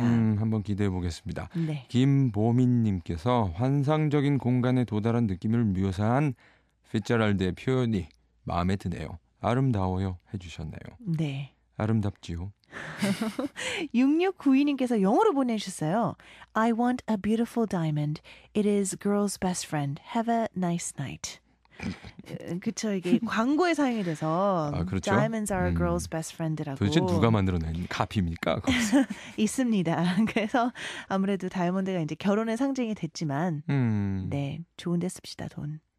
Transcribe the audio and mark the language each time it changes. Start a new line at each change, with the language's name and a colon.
Korean: 한번 기대해보겠습니다. 네. 김보민 님께서 환상적인 공간에 도달한 느낌을 묘사한 피처랄드의 표현이 마음에 드네요. 아름다워요 해주셨네요. 네. 아름답지요. 6692님께서 영어로 보내주셨어요.
English: I want a beautiful diamond. It is girl's best friend. Have a nice night.
Korean: 그렇죠. 이게 광고에 사용이 돼서 아, 그렇죠?
English: Diamonds are a girl's best friend라고.
Korean: 도대체 누가 만들어낸 카피입니까? 있습니다. 그래서 아무래도 다이아몬드가 이제 결혼의 상징이 됐지만 네. 좋은데 씁시다. 돈.